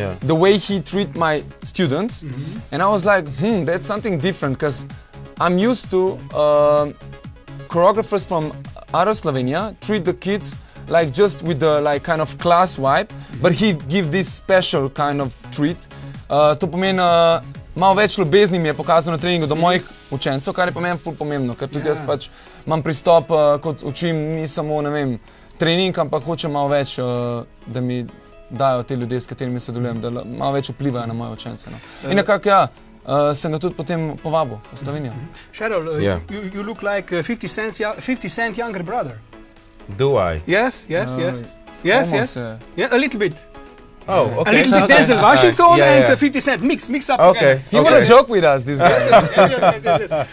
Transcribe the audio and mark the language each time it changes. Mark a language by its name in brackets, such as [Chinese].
[English] The way he treat my students. Mm-hmm. And I was like, that's something different, because I'm used to choreographers from out of Slovenia treat the kids like just with the like kind of class vibe, mm-hmm. but he give this special kind of treat. [Slovenian] To pomeni, malo več ljubezni mi je pokazal na treningu do mojih učencev, kar je pa meni ful pomembno, ker tudi jaz pač imam pristop, kot učim, ni samo, ne vem, trening, ampak hočem malo več, da mi dajo te ljudje, s katerimi sodelujem, da malo več vplivajo na moje učence. No. In nekako, ja, sem ga tudi potem povabil v Slovenijo. [English] Cheryl, you look like 50 Cent younger brother. Do I? Yes. Yeah, a little bit. Oh, okay. A little bit Denzel Washington and 50 Cent mix up. Okay, you want to joke with us, this guy?